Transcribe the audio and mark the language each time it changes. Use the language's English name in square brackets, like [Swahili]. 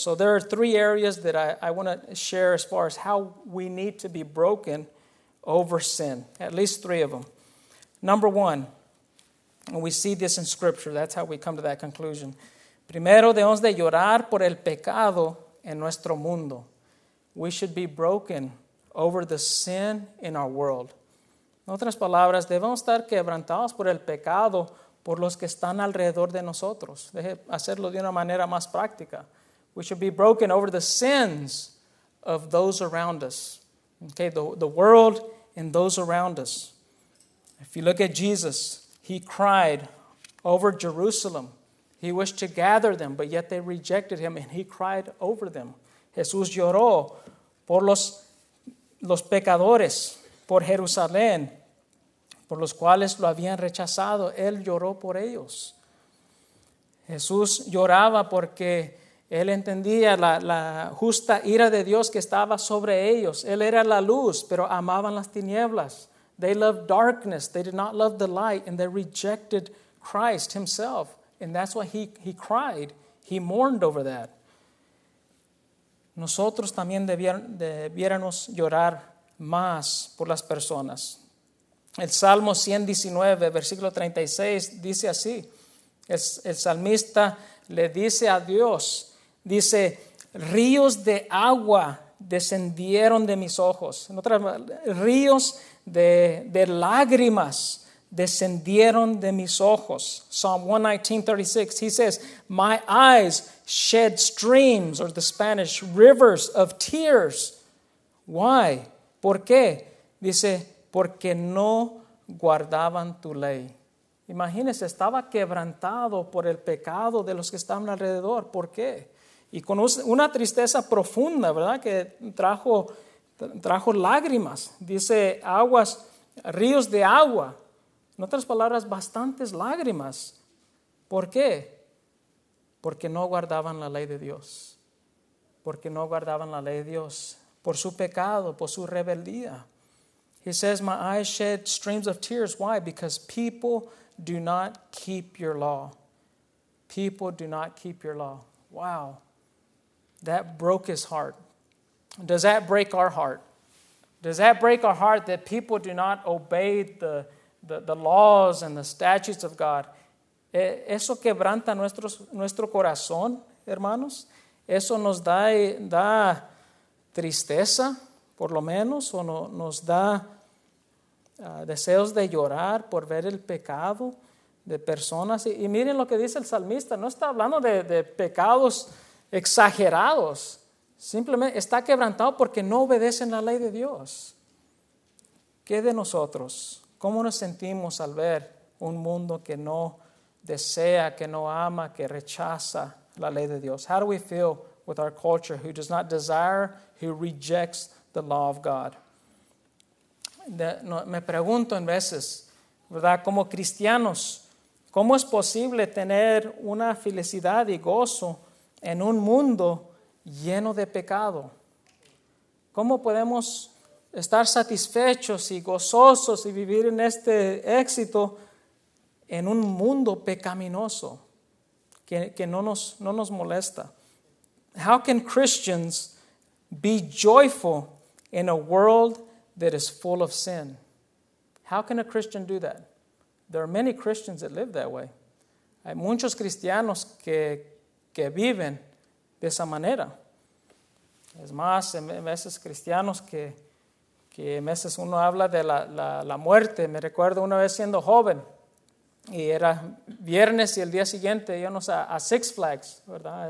[English] So there are three areas that I want to share as far as how we need to be broken over sin, at least three of them. Number one, and we see this in scripture, that's how we come to that conclusion. [Spanish] Primero, debemos de llorar por el pecado en nuestro mundo. [English] We should be broken over the sin in our world. [Spanish] En otras palabras, debemos estar quebrantados por el pecado por los que están alrededor de nosotros. Deje hacerlo de una manera más práctica. [English] We should be broken over the sins of those around us. Okay, the world and those around us. If you look at Jesus, he cried over Jerusalem. He wished to gather them, but yet they rejected him, and he cried over them. [Spanish] Jesús lloró por los pecadores, por Jerusalén, por los cuales lo habían rechazado. Él lloró por ellos. Jesús lloraba porque él entendía la justa ira de Dios que estaba sobre ellos. Él era la luz, pero amaban las tinieblas. [English] They loved darkness. They did not love the light, and they rejected Christ himself. And that's why he cried. He mourned over that. [Spanish] Nosotros también debiéramos llorar más por las personas. El Salmo 119, versículo 36, dice así. El salmista le dice a Dios, dice, ríos de agua descendieron de mis ojos. En otras ríos de lágrimas descendieron de mis ojos. [English] Psalm 119:36, he says, my eyes shed streams, or the Spanish, rivers of tears. Why? [Spanish] ¿Por qué? Dice, porque no guardaban tu ley. Imagínese, estaba quebrantado por el pecado de los que estaban alrededor. ¿Por qué? Y con una tristeza profunda, ¿verdad? Que trajo lágrimas. Dice, aguas, ríos de agua. En otras palabras, bastantes lágrimas. ¿Por qué? Porque no guardaban la ley de Dios. Porque no guardaban la ley de Dios. Por su pecado, por su rebeldía. [English] He says, my eyes shed streams of tears. Why? Because people do not keep your law. People do not keep your law. Wow. That broke his heart. Does that break our heart? Does that break our heart that people do not obey the laws and the statutes of God? [Spanish] ¿Eso quebranta nuestro corazón, hermanos? ¿Eso nos da tristeza, por lo menos? ¿O nos da deseos de llorar por ver el pecado de personas? Y miren lo que dice el salmista. No está hablando de pecados exagerados. Simplemente está quebrantado porque no obedecen la ley de Dios. ¿Qué de nosotros? ¿Cómo nos sentimos al ver un mundo que no desea, que no ama, que rechaza la ley de Dios? [English] How do we feel with our culture who does not desire, who rejects the law of God? [Spanish] Me pregunto en veces, ¿verdad? Como cristianos, ¿cómo es posible tener una felicidad y gozo en un mundo lleno de pecado? ¿Cómo podemos estar satisfechos y gozosos y vivir en este éxito en un mundo pecaminoso que no nos molesta? [English] How can Christians be joyful in a world that is full of sin? How can a Christian do that? There are many Christians that live that way. [Spanish] Hay muchos cristianos que viven de esa manera. Es más, en veces cristianos que en veces uno habla de la muerte. Me recuerdo una vez siendo joven y era viernes y el día siguiente íbamos a Six Flags, ¿verdad?